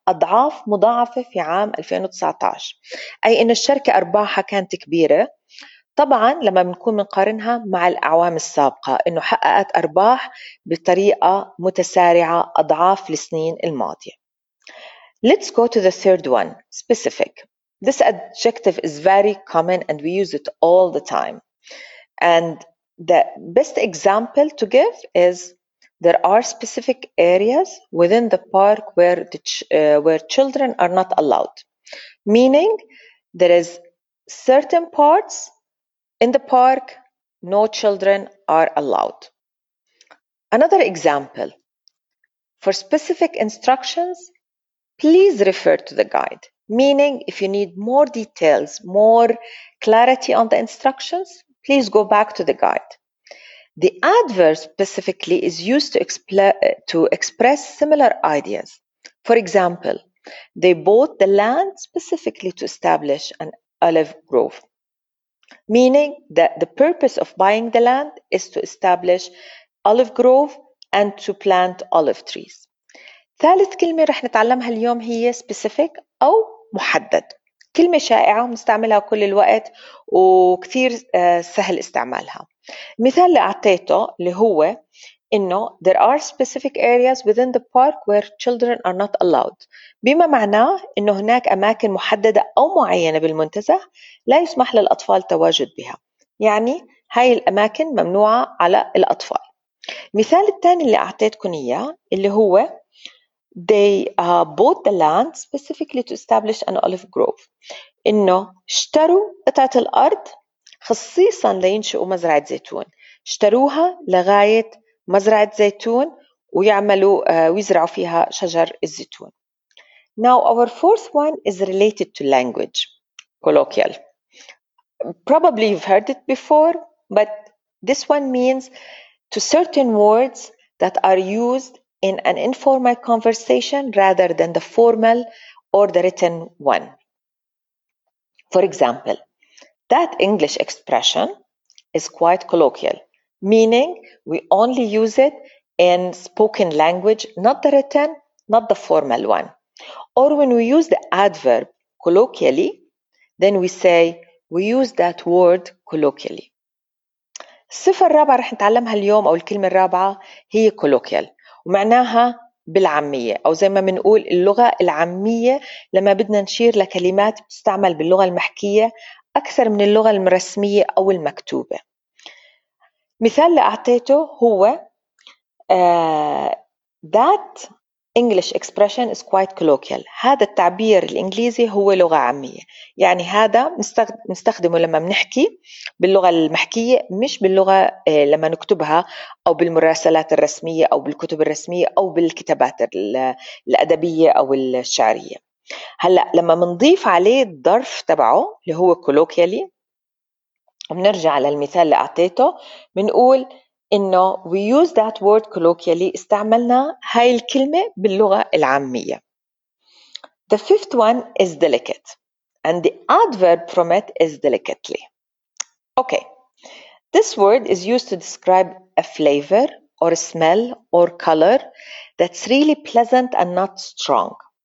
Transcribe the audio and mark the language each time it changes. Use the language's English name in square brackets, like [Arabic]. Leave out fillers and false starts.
[Arabic] أضعاف مضاعفة في عام 2019، أي إن الشركة أرباحها كانت كبيرة. طبعاً لما بنكون بنقارنها مع الأعوام السابقة إنه حققت أرباح بطريقة متسارعة أضعاف السنين الماضية. [English] Let's go to the third one specific. This adjective is very common and we use it all the time. And the best example to give is there are specific areas within the park where the where children are not allowed. Meaning there is certain parts in the park no children are allowed. Another example for specific instructions, please refer to the guide. Meaning, if you need more details, more clarity on the instructions, please go back to the guide. The adverb specifically is used to express similar ideas. For example, they bought the land specifically to establish an olive grove. Meaning that the purpose of buying the land is to establish olive grove and to plant olive trees. [Arabic] ثالث كلمة رح نتعلمها اليوم هي specific أو محدد. كلمة شائعة ونستعملها كل الوقت وكثير سهل استعمالها. مثال اللي أعطيته اللي هو إنه [English] there are specific areas within the park where children are not allowed. [Arabic] بما معناه إنه هناك أماكن محددة أو معينة بالمنتزه لا يسمح للأطفال التواجد بها. يعني هاي الأماكن ممنوعة على الأطفال. مثال الثاني اللي أعطيتكم إياه اللي هو [English] They bought the land specifically to establish an olive grove. [Arabic] إنه اشتروا قطعة الأرض خصيصاً لينشئوا مزرعة زيتون. اشتروها لغاية مزرعة زيتون ويعملوا ويزرعوا فيها شجر الزيتون. [English] Now our fourth one is related to language, colloquial. Probably you've heard it before, but this one means to certain words that are used in an informal conversation rather than the formal or the written one. For example, that English expression is quite colloquial, meaning we only use it in spoken language, not the written, not the formal one. Or when we use the adverb colloquially, then we say we use that word colloquially. [Arabic] الصفة الرابعة رح نتعلمها اليوم أو الكلمة الرابعة هي colloquial. ومعناها بالعامية أو زي ما بنقول اللغة العامية لما بدنا نشير لكلمات بتستعمل باللغة المحكية أكثر من اللغة الرسمية أو المكتوبة. مثال اللي أعطيته هو [English] That English expression is quite colloquial. [Arabic] هذا التعبير الإنجليزي هو لغة عامية. يعني هذا نستخدمه لما بنحكي باللغة المحكية مش باللغة لما نكتبها أو بالمراسلات الرسمية أو بالكتب الرسمية أو بالكتابات الأدبية أو الشعرية. هلأ لما منضيف عليه الظرف تبعه اللي هو colloquially ومنرجع على المثال اللي أعطيته منقول إنه [English] we use that word colloquially [Arabic] استعملنا هاي الكلمة باللغة العامية. [English] The fifth one is delicate and the adverb from it is delicately. Okay, this word is used to describe a flavor or a smell or color that's really pleasant and not strong.